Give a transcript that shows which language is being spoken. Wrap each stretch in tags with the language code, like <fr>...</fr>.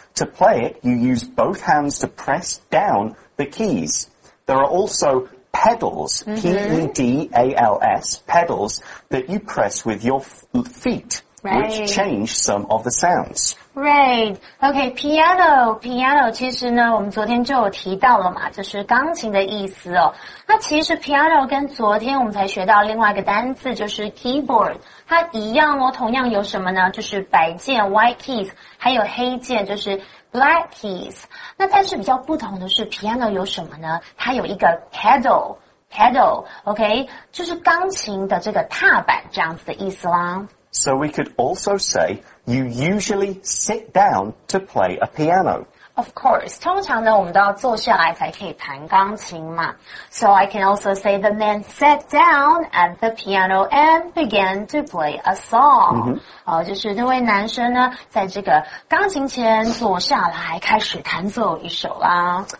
<en>To play it, you use both hands to press down the keys. There are also pedals, mm-hmm. P-E-D-A-L-S, pedals, that you press with your feet,、 right. which change some of the sounds. Right. Okay, piano.</en> <zh>Piano, 其实呢我们昨天就有提到了嘛，就是钢琴的意思哦。那其实 piano 跟昨天我们才学到另外一个单字，就是 keyboard。它一样哦，同样有什么呢？就是白键 white keys， 还有黑键就是 black keys。那但是比较不同的是 piano 有什么呢？它有一个 pedal。</zh> <en>Pedal, okay?</en> <zh>就是钢琴的这个踏板这样子的意思啦。</zh> <en>So we could also say, you usually sit down to play a piano. Of course,</en> <zh>通常呢我们都要坐下来才可以弹钢琴嘛。</zh> <en>So I can also say, the man sat down at the piano and began to play a song.、 Mm-hmm.</en> <zh>就是那位男生呢在这个钢琴前坐下来开始弹奏一首啦。</zh>